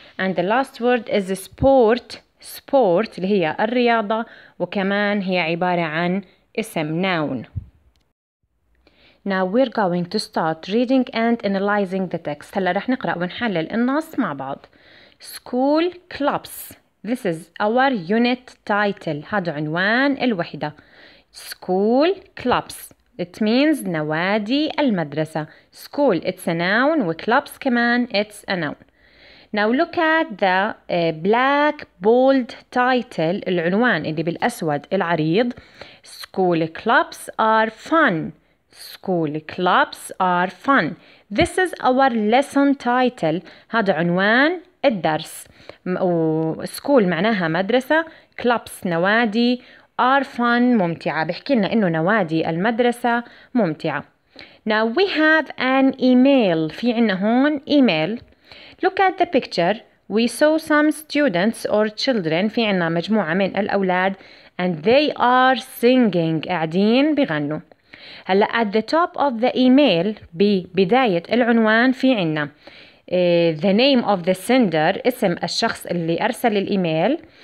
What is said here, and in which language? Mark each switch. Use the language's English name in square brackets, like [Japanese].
[English] And the last word is sport, [Arabic] اللي هي الرياضة, وكمان هي عبارة عن اسم [English] noun. Now we're going to start reading and analyzing the text. [Arabic] هلا رح نقرأ ونحلل النص مع بعض. [English] School clubs. This is our unit title. [Arabic] هذا عنوان الوحدة. School clubs. [English] It means [Arabic] نوادي المدرسة. [English] School it's a noun وclubs كمان it's a noun. Now look at the black bold title. [Arabic] العنوان اللي بالأسود العريض. [English] School clubs are fun. School clubs are fun. This is our lesson title. [Arabic] هذا عنوان الدرس. وسكول معناها مدرسة، كلابس نوادي، [English] are fun [Arabic] ممتعة، بحكي لنا إنه نوادي المدرسة ممتعة. [English] Now we have an email. [Arabic] في عنا هون [English] email. Look at the picture. We saw some students or children. [Arabic] في عنا مجموعة من الأولاد. [English] And they are singing. [Arabic] قاعدين بغنوا. هلا [English] at the top of the email [Arabic] ببداية العنوان في عنا [English] the name of the sender، [Arabic] اسم الشخص اللي أرسل الإيميل.